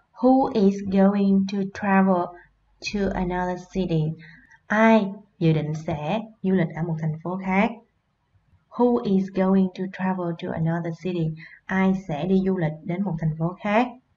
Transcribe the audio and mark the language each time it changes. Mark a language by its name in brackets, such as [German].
[English] Who is going to travel to another city? [Vietnamese] Ai dự định sẽ du lịch ở một thành phố khác? [English] Who is going to travel to another city? [Vietnamese] Ai sẽ đi du lịch đến một thành phố khác?